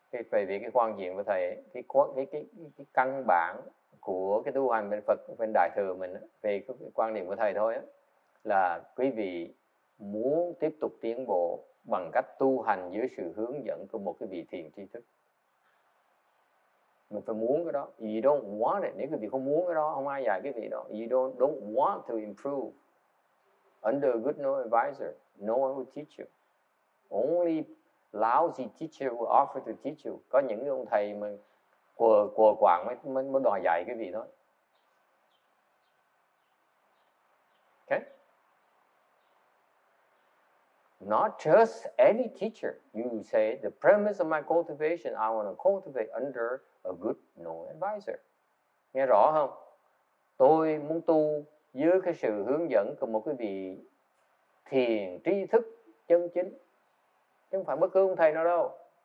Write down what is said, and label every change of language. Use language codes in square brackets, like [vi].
[vi] Về việc cái quan điểm của thầy, cái căn bản của cái tu hành bên Phật bên đại thừa mình á, về cái quan điểm của thầy thôi á, là quý vị muốn tiếp tục tiến bộ bằng cách tu hành dưới sự hướng dẫn của một cái vị thiền tri thức. Mình phải muốn cái đó. [en] You don't want it. [vi] Nếu quý vị không muốn cái đó, không ai dạy cái vị đó. [en] You don't want to improve under a good no advisor. No one will teach you. Only lousy teacher will offer to teach you. [vi] Có những cái ông thầy mà quờ quạng mới đòi dạy cái vị đó. Okay? [en] Not just any teacher. You say, the premise of my cultivation, I want to cultivate under a good noble advisor. [vi] Nghe rõ không? Tôi muốn tu dưới cái sự hướng dẫn của một cái vị thiền tri thức chân chính. Chứ không phải bất cứ ông thầy nào đâu.